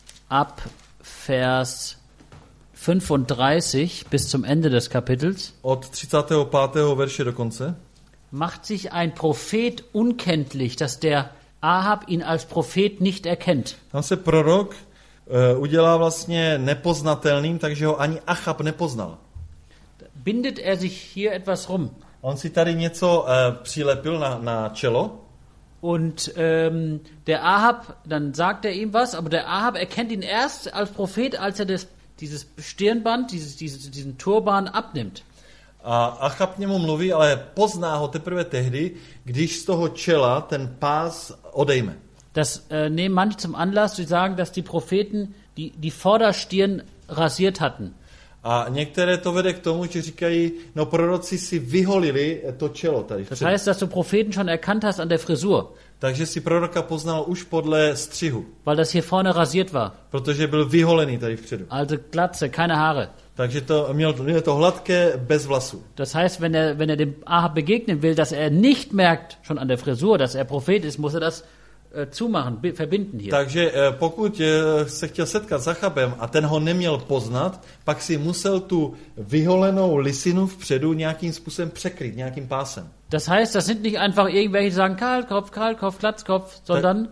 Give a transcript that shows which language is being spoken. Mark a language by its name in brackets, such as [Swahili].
[German] ab Vers 35 bis zum Ende des Kapitels, [Czech] od 35. verše do konce, [German] macht sich ein Prophet unkenntlich, dass der Ahab ihn als Prophet nicht erkennt. [Czech] Tam se prorok udělá vlastně nepoznatelným, takže ho ani Achab nepoznal. [German] Bindet er sich hier etwas rum. [Czech] On si tady něco přilepil na čelo. [German] Und der Ahab, dann sagt er ihm was, aber der Ahab erkennt ihn erst als Prophet, als er dieses Stirnband, diesen Turban abnimmt. [Czech] A Achab k němu mluví, ale pozná ho teprve tehdy, když z toho čela ten pás odejme. [German] Das nehmen manche zum Anlass zu sagen, dass die Propheten die Vorderstirn rasiert hatten. [Czech] A některé to vede k tomu, že říkají, no proroci si vyholili to čelo tady. [German] Das heißt, dass du Propheten schon erkannt hast an der Frisur. [Czech] Takže si proroka poznal už podle střihu. [German] Weil das hier vorne rasiert war. [Czech] Protože byl vyholený tady vpředu. [German] Also glatze, keine Haare. [Czech] Takže to měl to hladké bez vlasů. [German] Das heißt, wenn er dem Ahab begegnen will, dass er nicht merkt schon an der Frisur, dass er Prophet ist, muss er das zumachen, verbinden hier. [Czech] Takže pokud se chtěl setkat s Achabem a ten ho neměl poznat, pak si musel tu vyholenou lisinu vpředu nějakým způsobem překryt, nějakým pásem. [German] Das heißt, das sind nicht einfach irgendwelche, die sagen Kahlkopf, Glatzkopf, sondern...